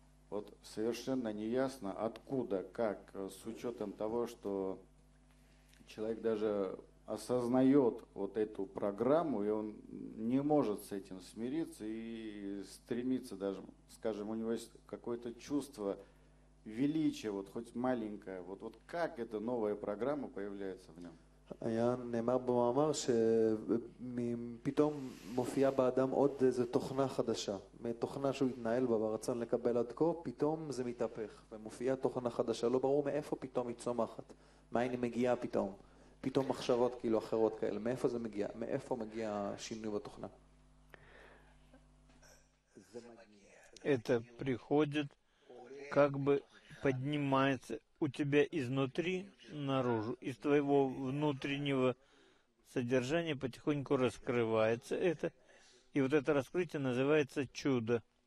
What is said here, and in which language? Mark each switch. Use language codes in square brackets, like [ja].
[ru] Вот совершенно неясно, откуда, как, с учетом того, что человек даже осознает вот эту программу, и он не может с этим смириться и стремится даже, скажем, у него есть какое-то чувство величия, вот хоть маленькое, вот, вот как эта новая программа появляется в нем? [he] היה נאמר במאמר שפתאום מופיעה באדם עוד איזו תוכנה חדשה, מתוכנה שהוא התנהל בה ברצון לקבל עד כה, פתאום זה מתהפך ומופיעה תוכנה חדשה, לא ברור מאיפה פתאום היא צומחת, מאין היא מגיעה פתאום, פתאום מחשבות כאילו אחרות כאלה, מאיפה זה מגיע, מאיפה מגיע השינוי בתוכנה? זה מגיע. [ru] Это приходит, как бы поднимается у тебя изнутри, наружу, из твоего внутреннего содержания потихоньку раскрывается это, и вот это раскрытие называется чудо.